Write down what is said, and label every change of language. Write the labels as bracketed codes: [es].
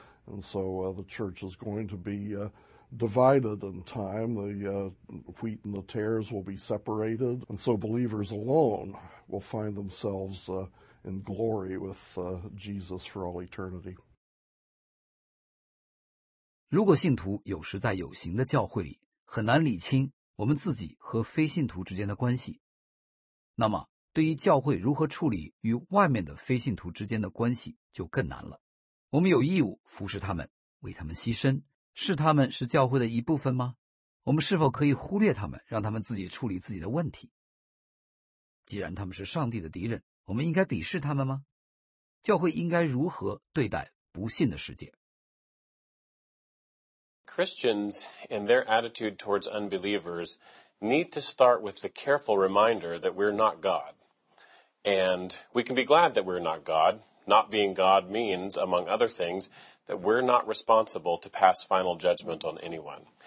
[en] And so the church is going to be divided in time. The wheat and the tares will be separated. And so believers alone will find themselves in glory with Jesus for all eternity. [zh] 如果信徒有时在有形的教会里很难理清我们自己和非信徒之间的关系，那么对于教会如何处理与外面的非信徒之间的关系就更难了。我们有义务服侍他们，为他们牺牲，是他们是教会的一部分吗？我们是否可以忽略他们，让他们自己处理自己的问题？既然他们是上帝的敌人，我们应该鄙视他们吗？教会应该如何对待不信的世界？ [en] Christians and their attitude towards unbelievers need to start with the careful reminder that we're not God. And we can be glad that we're not God. Not being God means, among other things, that we're not responsible to pass final judgment on anyone.